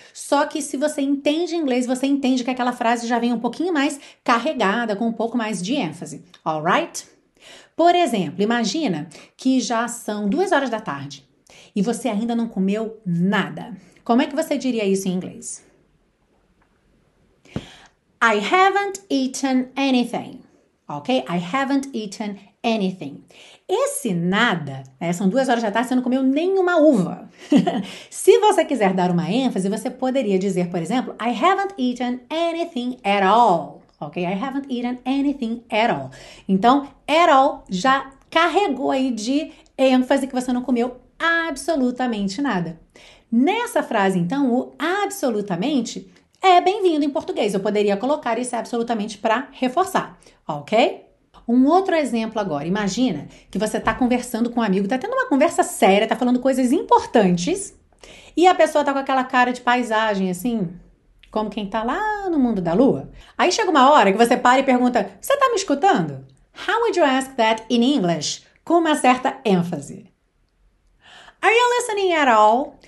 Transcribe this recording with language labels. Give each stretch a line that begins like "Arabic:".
Portuguese: Só que se você entende inglês, você entende que aquela frase já vem um pouquinho mais carregada, com um pouco mais de ênfase.
English: All right?
Portuguese: Por exemplo, imagina que já são 2 horas da tarde e você ainda não comeu nada. Como é que você diria isso em inglês?
English: I haven't eaten anything. Ok? I haven't eaten anything.
Portuguese: Esse nada, né, são 2 horas da tarde, você não comeu nenhuma uva. Se você quiser dar uma ênfase, você poderia dizer, por exemplo,
English: I haven't eaten anything at all. Ok? I haven't eaten anything at all.
Portuguese: Então, at all já carregou aí de ênfase que você não comeu absolutamente nada. Nessa frase, então, o absolutamente é bem-vindo em português. Eu poderia colocar isso absolutamente para reforçar, ok? Um outro exemplo agora. Imagina que você está conversando com um amigo, está tendo uma conversa séria, está falando coisas importantes e a pessoa está com aquela cara de paisagem, assim, como quem está lá no mundo da lua. Aí chega uma hora que você para e pergunta: Você está me escutando?
English: How would you ask that in English?
Portuguese: Com uma certa ênfase.
English: Are you listening at all?